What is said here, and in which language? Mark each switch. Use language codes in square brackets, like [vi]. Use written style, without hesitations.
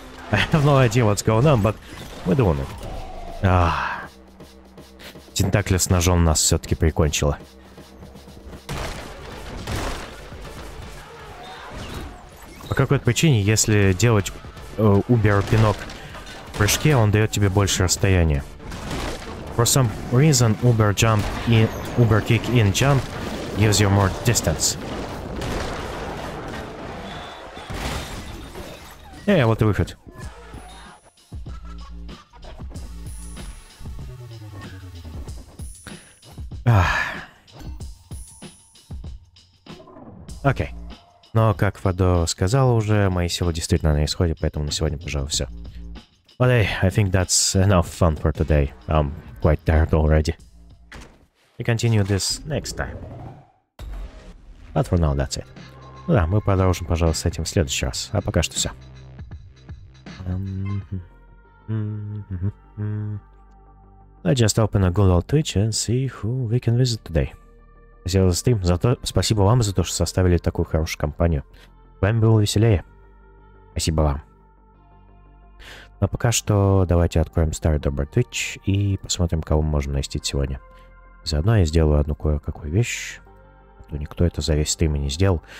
[en] I have no idea what's going on, but we're doing it. Ah. [ru] Тентакля с ножом нас все-таки прикончила. По какой-то причине, если делать убер-пинок в прыжке, он дает тебе больше расстояния. [en] For some reason, [ru] убер-джамп и убер-кик [en] in jump gives you more distance. [ru] Эй, вот и выход. Окей. Но, как Фадо сказал уже, мои силы действительно на исходе, поэтому на сегодня, пожалуй, все. [en] But hey, I think that's enough fun for today. I'm quite tired already. We continue this next time. But for now, that's it. [ru] Ну да, мы продолжим, пожалуй, с этим в следующий раз. А пока что все. [en] Let's just open a good old Twitch and see who we can visit today. [ru] Спасибо за стрим. Зато спасибо вам за то, что составили такую хорошую компанию. Вам было веселее. Спасибо вам. Но пока что давайте откроем старый добрый Twitch и посмотрим, кого мы можем найти сегодня. Заодно я сделаю одну кое-какую вещь. А то никто это за весь стрим и не сделал.